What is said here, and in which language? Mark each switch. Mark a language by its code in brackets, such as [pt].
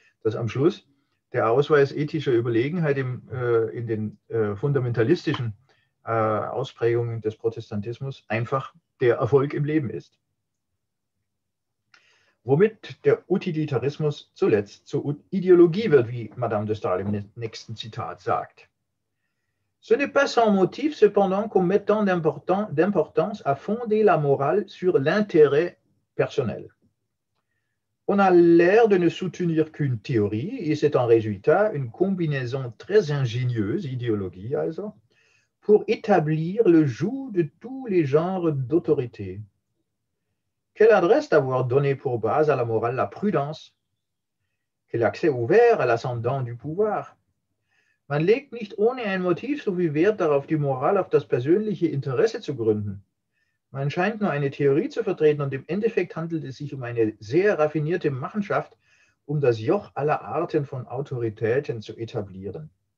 [de] Dass am Schluss der Ausweis ethischer Überlegenheit in den fundamentalistischen Ausprägungen des Protestantismus einfach der Erfolg im Leben ist. Womit der Utilitarismus zuletzt zur Ideologie wird, wie Madame de Staël im nächsten Zitat sagt. [fr] Ce n'est pas sans motif, cependant, qu'on met tant d'importance à fonder la morale sur l'intérêt personnel. On a l'air de ne soutenir qu'une théorie, et c'est en résultat une combinaison très ingénieuse, idéologie also, pour établir le joug de tous les genres d'autorité. Quelle adresse d'avoir donné pour base à la morale la prudence? Quel accès ouvert à l'ascendant du pouvoir? [de] Man legt nicht ohne ein Motiv so viel Wert darauf, die Moral auf das persönliche Interesse zu gründen. Man scheint nur eine Theorie zu vertreten und im Endeffekt handelt es sich um eine sehr raffinierte Machenschaft, um das Joch aller Arten von Autoritäten zu etablieren.